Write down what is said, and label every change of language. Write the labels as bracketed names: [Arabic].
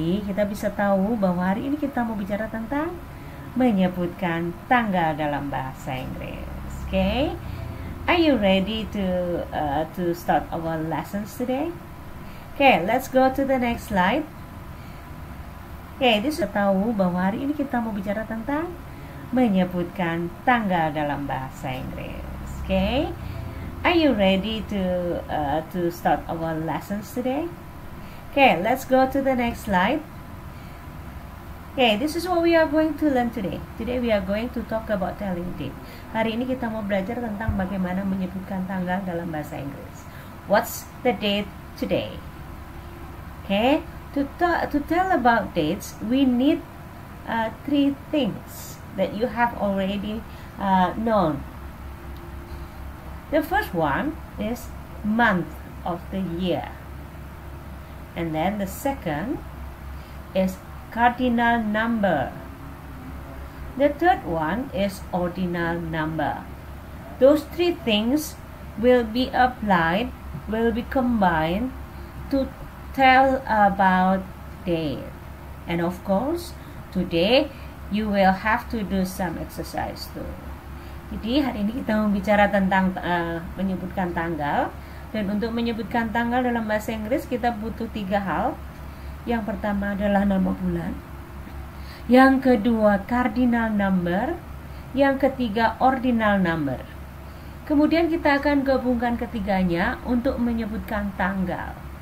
[Indonesian] Kita bisa tahu bahwa hari ini kita mau bicara tentang menyebutkan tanggal dalam bahasa Inggris. [English] Okay, are you ready to start our lessons today? Okay, let's go to the next slide. [Indonesian] Okay, kita bisa tahu bahwa hari ini kita mau bicara tentang menyebutkan tanggal dalam bahasa Inggris. [English] Okay, are you ready to start our lessons today? Okay, let's go to the next slide. Okay, this is what we are going to learn today. Today we are going to talk about telling date. [Indonesian] Hari ini kita mau belajar tentang bagaimana menyebutkan tanggal dalam bahasa Inggris. [English] What's the date today? Okay, to tell about dates, we need three things that you have already known. The first one is month of the year. And then the second is cardinal number. The third one is ordinal number. Those three things will be applied, will be combined to tell about day. And of course, today you will have to do some exercise too. [Indonesian] Jadi hari ini kita membicara tentang menyebutkan tanggal. Dan untuk menyebutkan tanggal dalam bahasa Inggris, kita butuh tiga hal. Yang pertama adalah nama bulan. Yang kedua, cardinal number. Yang ketiga, ordinal number. Kemudian kita akan gabungkan ketiganya untuk menyebutkan tanggal.